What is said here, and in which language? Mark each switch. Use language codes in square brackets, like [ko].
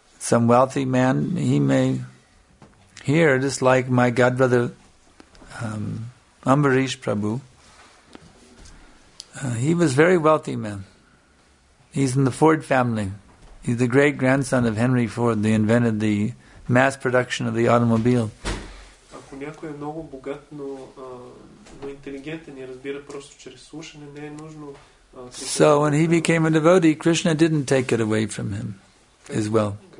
[en] some wealthy man, he may hear, just like my godbrother Ambarish Prabhu. He was a very wealthy man. He's in the Ford family. He's the great-grandson of Henry Ford. They invented the mass production of the automobile. [bg] Ако някой е много богат, но интелигентен и разбира просто чрез слушане, не е нужно. [en] So when he became a devotee, Krishna didn't take it away from him as well.